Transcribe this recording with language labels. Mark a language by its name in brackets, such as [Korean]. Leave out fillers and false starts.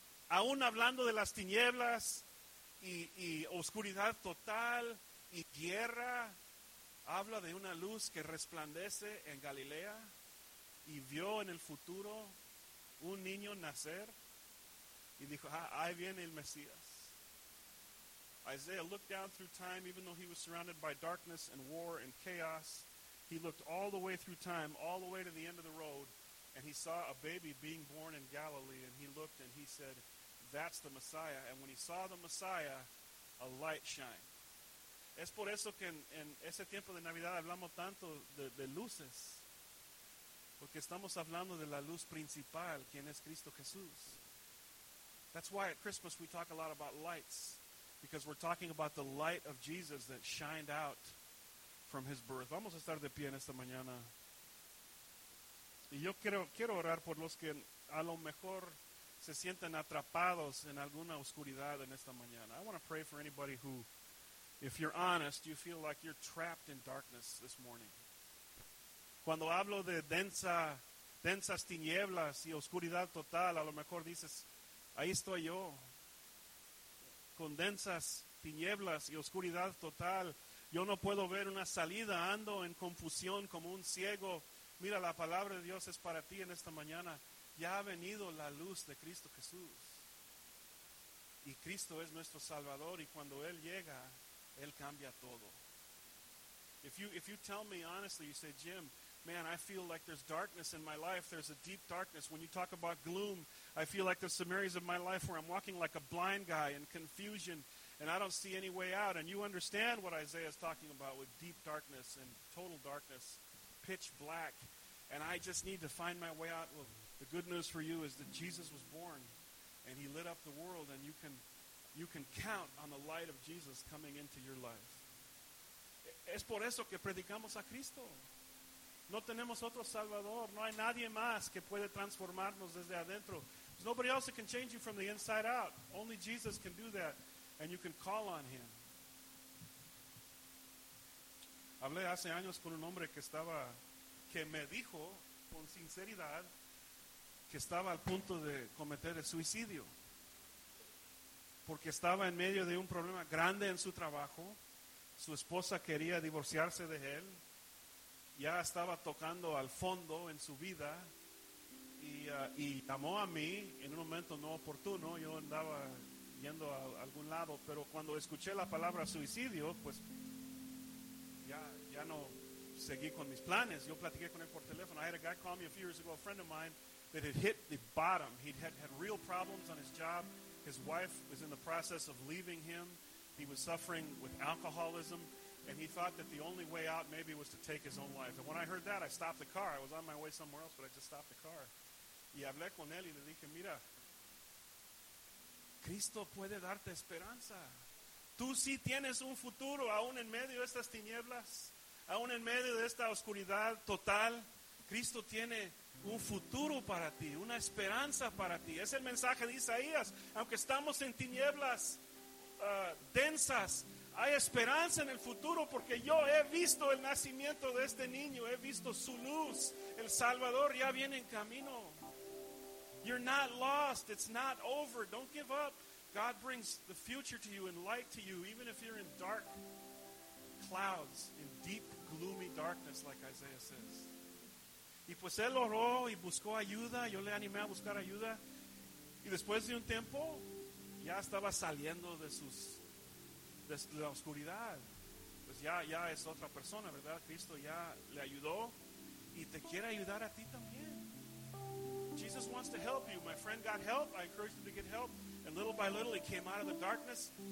[Spanish] Aún hablando de las tinieblas y oscuridad total y guerra, habla de una luz que resplandece en Galilea y vio en el futuro un niño nacer y dijo, ah, ahí viene el Mesías. [English] Isaiah looked down through time, even though he was surrounded by darkness and war and chaos. He looked all the way through time, all the way to the end of the road, and he saw a baby being born in Galilee, and he looked and he said, that's the Messiah. And when he saw the Messiah, a light shined. [Spanish] Es por eso que en ese tiempo de Navidad hablamos tanto de luces, porque estamos hablando de la luz principal, quien es Cristo Jesús. [English] That's why at Christmas we talk a lot about lights, because we're talking about the light of Jesus that shined out from his birth. [Spanish] Vamos a estar de pie en esta mañana. Y yo quiero orar por los que a lo mejor se sienten atrapados en alguna oscuridad en esta mañana. [English] I want to pray for anybody who, if you're honest, you feel like you're trapped in darkness this morning. [Spanish] Cuando hablo de densas tinieblas y oscuridad total, a lo mejor dices, ahí estoy yo. Con densas tinieblas y oscuridad total, yo no puedo ver una salida, ando en confusión como un ciego. Mira, la palabra de Dios es para ti en esta mañana. Ya ha venido la luz de Cristo Jesús. Y Cristo es nuestro Salvador y cuando Él llega, Él cambia todo. [English] If you tell me honestly, you say, Jim, man, I feel like there's darkness in my life. There's a deep darkness. When you talk about gloom, I feel like there's some areas of my life where I'm walking like a blind guy in confusion. And I don't see any way out. And you understand what Isaiah is talking about with deep darkness and total darkness, pitch black. And I just need to find my way out. Well, the good news for you is that Jesus was born and he lit up the world. And you can count on the light of Jesus coming into your life. [Spanish] Es por eso que predicamos a Cristo. No tenemos otro Salvador. No hay nadie más que puede transformarnos desde adentro. [English] There's nobody else that can change you from the inside out. Only Jesus can do that. And you can call on him. [Spanish] Hablé hace años con un hombre que me dijo con sinceridad que estaba al punto de cometer el suicidio. Porque estaba en medio de un problema grande en su trabajo. Su esposa quería divorciarse de él. Ya estaba tocando al fondo en su vida. Y llamó a mí en un momento no oportuno. Yo andaba yendo a algún lado, pero cuando escuché la palabra suicidio, pues ya no seguí con mis planes. Yo platiqué con él por teléfono. [English] I had a guy call me a few years ago, a friend of mine, that had hit the bottom. He had real problems on his job. His wife was in the process of leaving him. He was suffering with alcoholism, and he thought that the only way out maybe was to take his own life. And when I heard that, I stopped the car. I was on my way somewhere else, but I just stopped the car. [Spanish] Y hablé con él y le dije, mira, Cristo puede darte esperanza. Tú sí tienes un futuro, aún en medio de estas tinieblas, aún en medio de esta oscuridad total. Cristo tiene un futuro para ti, una esperanza para ti. Es el mensaje de Isaías. Aunque estamos en tinieblas densas, hay esperanza en el futuro, porque yo he visto el nacimiento de este niño, he visto su luz, el Salvador ya viene en camino. [English] You're not lost, it's not over, don't give up. God brings the future to you and light to you, even if you're in dark clouds, in deep gloomy darkness, like Isaiah says. [Spanish] Y pues él oró y buscó ayuda, yo le animé a buscar ayuda, y después de un tiempo ya estaba saliendo de sus de la oscuridad. Pues ya es otra persona, ¿verdad? Cristo ya le ayudó y te quiere ayudar a ti también. [English] Jesus wants to help you. My friend got help. I encouraged him to get help. And little by little, he came out of the darkness.